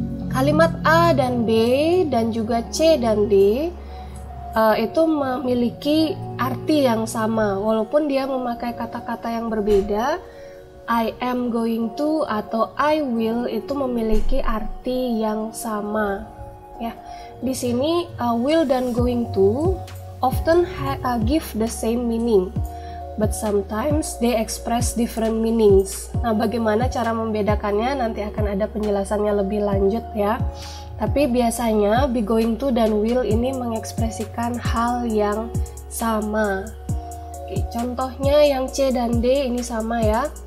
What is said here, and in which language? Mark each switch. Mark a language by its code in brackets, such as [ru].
[id] Kalimat A dan B dan juga C dan D itu memiliki arti yang sama walaupun dia memakai kata-kata yang berbeda. [en] I am going to [id] atau [en] I will [id] itu memiliki arti yang sama ya. Di sini [en] will dan going to often give the same meaning but sometimes they express different meanings. [id] Nah, bagaimana cara membedakannya nanti akan ada penjelasannya lebih lanjut ya. Tapi biasanya be going to dan will ini mengekspresikan hal yang sama. Oke, contohnya yang C dan D ini sama ya.